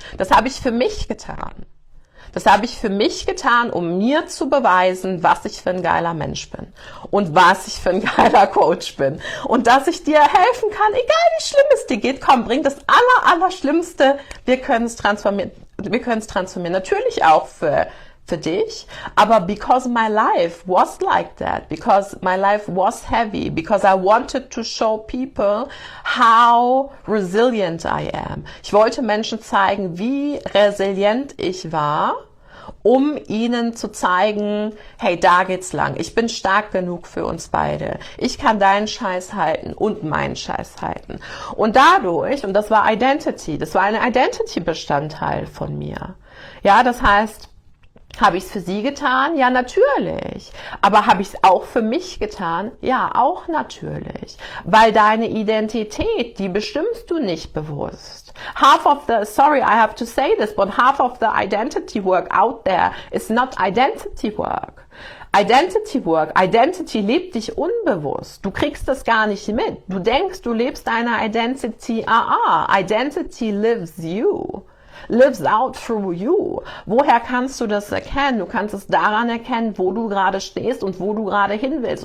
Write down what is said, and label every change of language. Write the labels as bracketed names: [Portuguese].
[German] Das habe ich für mich getan. Das habe ich für mich getan, um mir zu beweisen, was ich für ein geiler Mensch bin und was ich für ein geiler Coach bin und dass ich dir helfen kann, egal wie schlimm es dir geht. Komm, bring das Allerschlimmste. Wir können es transformieren. Wir können es transformieren. Natürlich auch für dich. Aber [English] because my life was like that, because my life was heavy, because I wanted to show people how resilient I am. [German] Ich wollte Menschen zeigen, wie resilient ich war, um ihnen zu zeigen, hey, da geht's lang. Ich bin stark genug für uns beide. Ich kann deinen Scheiß halten und meinen Scheiß halten. Und dadurch, und das war Identity, das war ein Identity-Bestandteil von mir. Ja, das heißt, habe ich es für sie getan? Ja, natürlich. Aber habe ich es auch für mich getan? Ja, auch natürlich. Weil deine Identität, die bestimmst du nicht bewusst. [English] Sorry, I have to say this, but half of the identity work out there is not identity work. [German] Identity work, Identity lebt dich unbewusst. Du kriegst das gar nicht mit. Du denkst, du lebst deine Identity. [English] Identity lives you. Lives out through you. [German] Woher kannst du das erkennen? Du kannst es daran erkennen, wo du gerade stehst und wo du gerade hin willst.